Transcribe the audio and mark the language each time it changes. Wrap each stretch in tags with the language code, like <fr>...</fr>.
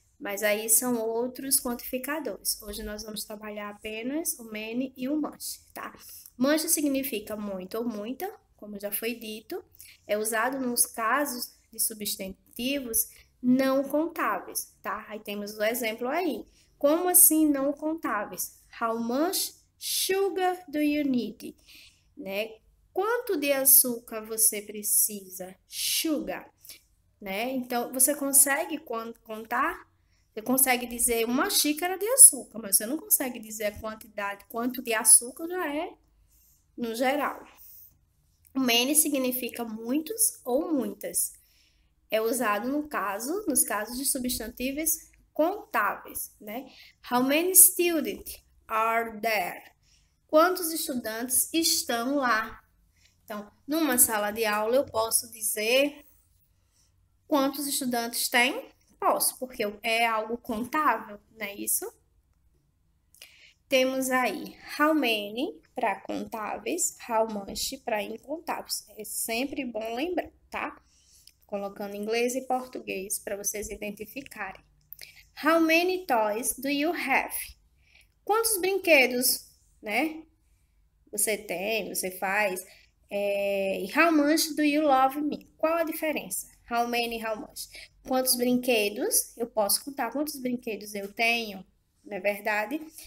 <pt>Mas aí são outros quantificadores. Hoje nós vamos trabalhar apenas o many e o much, tá? Much significa muito ou muita, como já foi dito. É usado nos casos de substantivos não contáveis, tá? Aí temos o exemplo aí. Como assim não contáveis?</pt> <en>How much sugar do you need?</en> <pt>Né? Quanto de açúcar você precisa? Sugar, né? Então, você consegue contar? Você consegue dizer uma xícara de açúcar, mas você não consegue dizer a quantidade, quanto de açúcar já é no geral. O many significa muitos ou muitas. É usado no caso, nos casos de substantivos contáveis, né?</pt> <en>How many students are there?</en> <pt>Quantos estudantes estão lá? Então, numa sala de aula, eu posso dizer quantos estudantes têm? Posso, porque é algo contável, não é isso? Temos aí how many para contáveis, how much para incontáveis. É sempre bom lembrar, tá? Colocando inglês e português para vocês identificarem.</pt> <en>How many toys do you have?</en> <pt>Quantos brinquedos, né, você tem, você faz?</pt> <en>How much do you love me?</en> <pt>Qual a diferença?</pt> <en>How many, how much?</en> <pt>Quantos brinquedos eu posso contar? Quantos brinquedos eu tenho? Não é verdade?</pt>